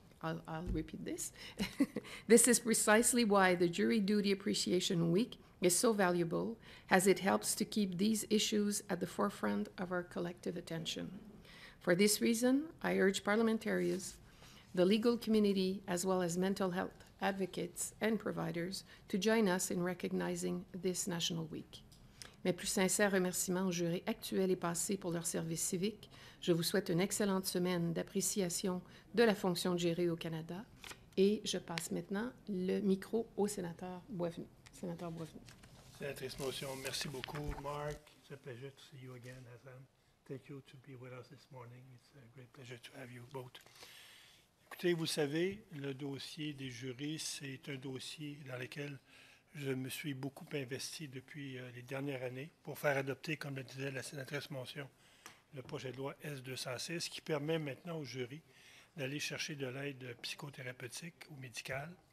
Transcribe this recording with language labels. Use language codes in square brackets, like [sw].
[en] I'll repeat this. This is precisely why the Jury Duty Appreciation Week is so valuable, as it helps to keep these issues at the forefront of our collective attention. For this reason, I urge parliamentarians, the legal community, as well as mental health advocates and providers, to join us in recognizing this National Week. [fr] Mes plus sincères remerciements aux jurés actuels et passés pour leur service civique. Je vous souhaite une excellente semaine d'appréciation de la fonction de juré au Canada. Et je passe maintenant le micro au sénateur Boisvenu. Sénateur Boisvenu. Sénatrice Moncion, merci beaucoup. [en] Mark, it's a pleasure to see you again, Hassan. Thank you to be with us this morning. It's a great pleasure to have you both. [fr] Écoutez, vous savez, le dossier des jurés, c'est un dossier dans lequel je me suis beaucoup investi depuis les dernières années pour faire adopter, comme le disait la sénatrice Moncion, le projet de loi S-216 qui permet maintenant aux jurys d'aller chercher de l'aide psychothérapeutique ou médicale.